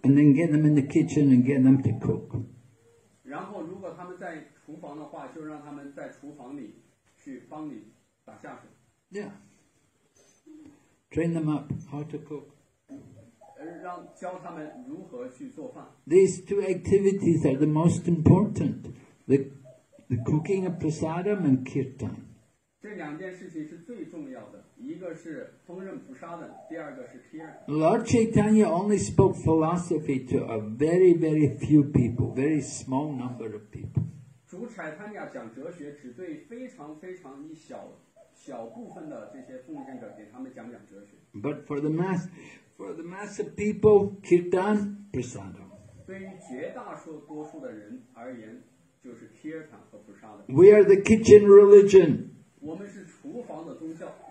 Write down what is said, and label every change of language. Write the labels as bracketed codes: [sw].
[en] And then get them in the kitchen and get them to cook。 [zh] 然后如果他们在厨房的话，就让他们在厨房里去帮你打下手。 [en] Yeah。 Train them up how to cook. [zh] 让教他们如何去做饭。 [en] These two activities are the most important: the cooking of prasadam and kirtan. [zh] 这两件事情是最重要的，一个是烹饪普沙的，第二个是 kirtan. [en] Lord Chaitanya only spoke philosophy to a very, very few people, very small number of people. [zh] 主柴坦雅讲哲学只对非常非常一小。小部分的这些奉献者给他们讲讲哲学。 [en] But for the mass of people, kirtan, prasadam. [zh] 对于绝大多数的人而言，就是 kirtan 和 prasadam。 [en] We are the kitchen religion. [zh] 我们是厨房的宗教。